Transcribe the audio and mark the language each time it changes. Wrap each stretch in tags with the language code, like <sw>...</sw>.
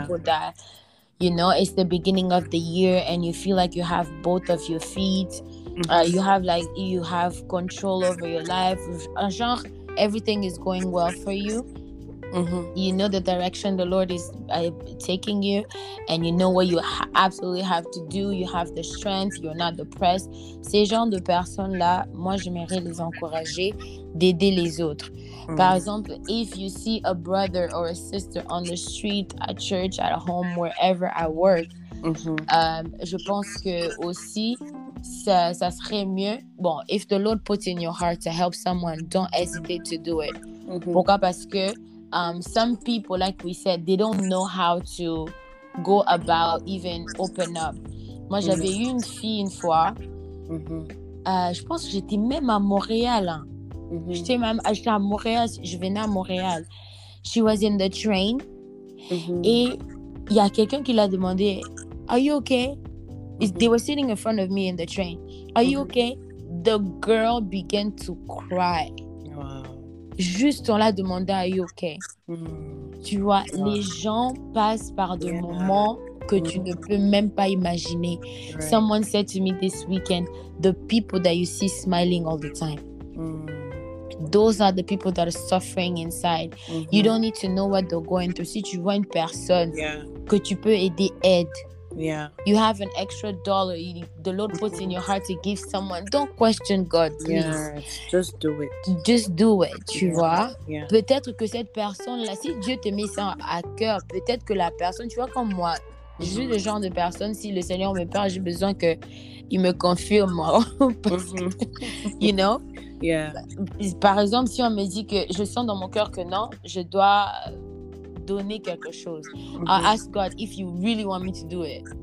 <en>people that, you know, it's the beginning of the year and you feel like you have both of your feet. You have like you have control over your life.</en> <fr>Un genre,</fr> <en>everything is going well for you. Mm-hmm. You know the direction the Lord is taking you, and you know what you absolutely have to do. You have the strength. You're not depressed.</en> <fr>Ces genres de personnes là, moi j'aimerais les encourager d'aider les autres.</fr> <en>Mm-hmm.</en> <fr>Par exemple,</fr> <en>if you see a brother or a sister on the street, at church, at home, wherever I work,</en> <fr>je pense que aussi. Ça serait mieux.</fr> <en>Bon, if the Lord puts in your heart to help someone, don't hesitate to do it. Mm-hmm.</en> <fr>Pourquoi?</fr> <en>Parce que some people, like we said, they don't know how to go about even open up.</en> <fr>Moi, j'avais eu une fille une fois. Je pense que j'étais même à Montréal. Hein. J'étais à Montréal. Je venais à Montréal.</fr> <en>She was in the train.</en> <fr>Et il y a quelqu'un qui l'a demandé,</fr> <en>are you okay? They were sitting in front of me in the train. Are you okay? The girl began to cry.</en> <fr>Juste on l'a demandé,</fr> <en>are you okay?</en> <fr>Tu vois, les gens passent par des moments que tu ne peux même pas imaginer.</fr> <en>Right. Someone said to me this weekend, the people that you see smiling all the time. Those are the people that are suffering inside. You don't need to know what they're going through.</en> <fr>Si tu vois une personne que tu peux aider, aide.</fr> <en>Yeah. You have an extra dollar the Lord puts in your heart to give someone. Don't question God, please. Yeah, just do it. Just do it, tu vois. Yeah.</en> <fr>Peut-être que cette personne-là, si Dieu te met ça à cœur, peut-être que la personne, tu vois, comme moi, je suis le genre de personne, si le Seigneur me parle, j'ai besoin qu'il me confirme.</fr> <en>you know? Yeah.</en> <fr>Par exemple, si on me dit que je sens dans mon cœur que non, je dois... donner quelque chose.</fr> <en>I'll ask God if you really want me to do it.</en>